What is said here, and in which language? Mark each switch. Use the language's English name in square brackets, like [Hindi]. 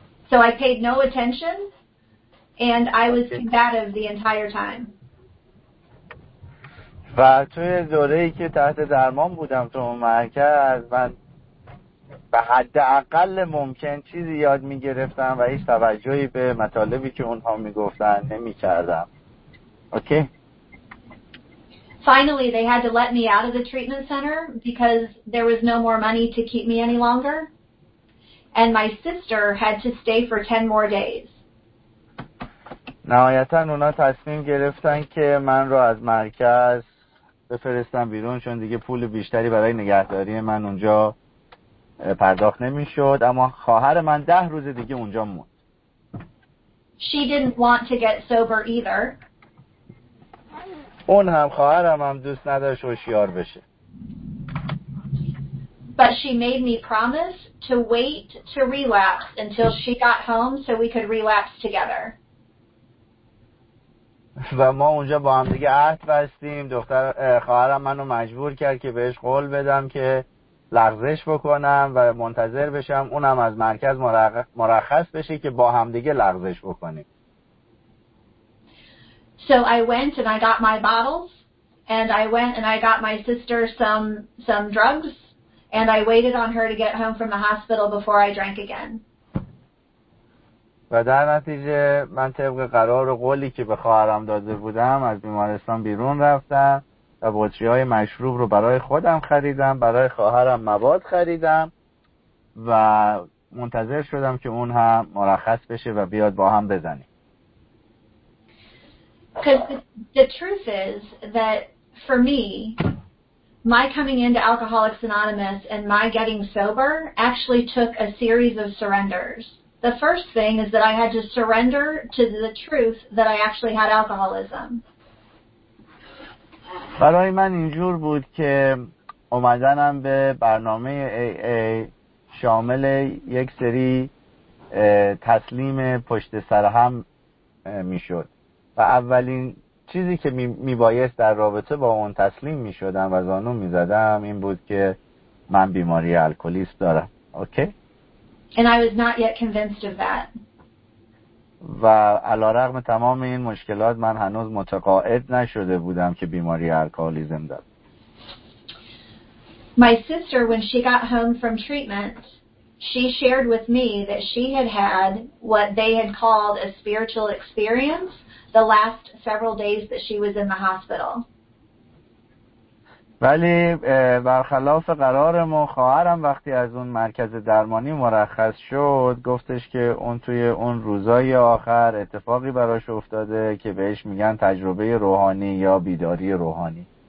[English] So I paid no attention and I was combative the entire time. [Persian] و توی دوره‌ای که تحت درمان بودم تو اون مرکز من به حد اقل ممکن چیزی یاد می‌گرفتم و هیچ توجهی به مطالبی که اونها می‌گفتن نمی‌کردم. اوکی. [English] Finally they had to let me out of the treatment center because there was no more money to keep me any longer and my sister had to stay for 10 more days. [Persian] نهایتاً اونا تصمیم گرفتن که من رو از مرکز بفرستم بیرون چون دیگه پول بیشتری برای نگهداری من اونجا پرداخت نمی‌شد اما خواهر من 10 روز دیگه اونجا موند. [English] She didn't want to get sober either. [Persian] اون هم خواهرم هم دوست نداشت هوشیار بشه. [English] But she made me promise to wait to relapse until she got home so we could relapse together. [Persian] و ما اونجا با هم دیگه عهد بستیم. دختر خواهرم منو مجبور کرد که بهش قول بدم که لغزش بکنم و منتظر بشم اونم از مرکز مرخص بشه که با هم دیگه لغزش بکنیم. [English] So I went and I got my bottles and I went and I got my sister some drugs and I waited on her to get home from the hospital before I drank again. [Persian] و در نتیجه من طبق قرار و قولی که به خواهرم داده بودم از بیمارستان بیرون رفتم و بطری های مشروب رو برای خودم خریدم، برای خواهرم مواد خریدم و منتظر شدم که اون هم مرخص بشه و بیاد با هم بزنیم. [English] Because the truth is that for me, my coming into Alcoholics Anonymous and my getting sober actually took a series of surrenders. The first thing is that I had to surrender to the truth that I actually had alcoholism. [Persian] برای من اینجور بود که اومدنم به برنامه AA شامل یک سری تسلیم پشت سر هم میشد. و اولین چیزی که میبایست در رابطه با اون تسلیم میشدم و زانو میزدم این بود که من بیماری الکلیست دارم. اوکی؟ [English] And I was not yet convinced of that. [Persian] و علارغم تمام این مشکلات من هنوز متقاعد نشده بودم که بیماری الکلیزم دارم. [English] My sister, when she got home from treatment, she shared with me that she had had what they had called a spiritual experience the last several days that she was in the hospital. [Persian] ولی برخلاف قرارمون خواهرم وقتی از اون مرکز درمانی مرخص شد گفتش که اون توی اون روزای آخر اتفاقی براش افتاده که بهش میگن تجربه روحانی یا بیداری روحانی.